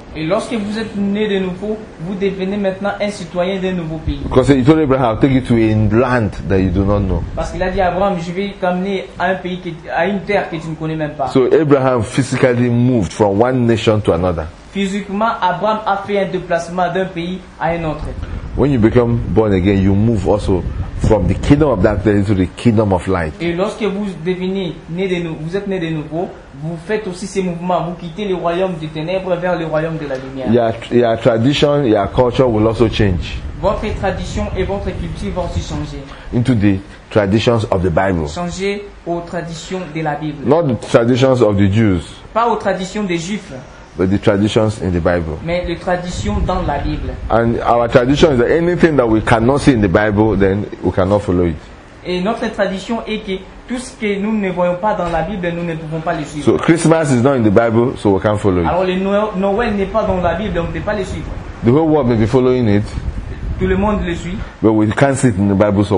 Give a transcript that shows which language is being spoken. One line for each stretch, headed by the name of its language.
French: Et lorsque vous êtes né de nouveau, vous devenez maintenant un citoyen d'un nouveau pays.
English: Because he told Abraham, "I'll take you to a land that you do not know."
French: Parce qu'il a dit à Abraham, "Je vais t'amener à un pays, à une terre que tu ne connais même pas."
English: So Abraham physically moved from one nation to another.
French: Physiquement, Abraham a fait un déplacement d'un pays à un autre.
English: When you become born again, you move also from the kingdom of darkness into the kingdom of light.
French: Et lorsque vous devenez né de nouveau, vous êtes né de nouveau. Vous faites aussi ces mouvements. Vous quittez le royaume des ténèbres vers le royaume de la lumière.
English: Your tradition, your culture will also change.
French: Votre tradition et votre culture vont aussi changer.
English: Into the traditions of the Bible.
French: Changer aux traditions de la Bible.
English: Not the traditions of the Jews.
French: Pas aux traditions des Juifs.
English: But the traditions in the Bible.
French: Mais les traditions dans la Bible.
English: And our tradition is that anything that we cannot see in the Bible, then we cannot follow it.
French: Et notre tradition est que tout ce que nous ne voyons pas dans la Bible, nous ne pouvons pas le suivre.
English: So Christmas is not in the Bible, so we can't follow it.
French: Alors le Noël n'est pas dans la Bible, donc on ne peut pas le suivre.
English: The whole world may be following it.
French: Tout le monde le suit.
English: But we can't see it in the Bible, so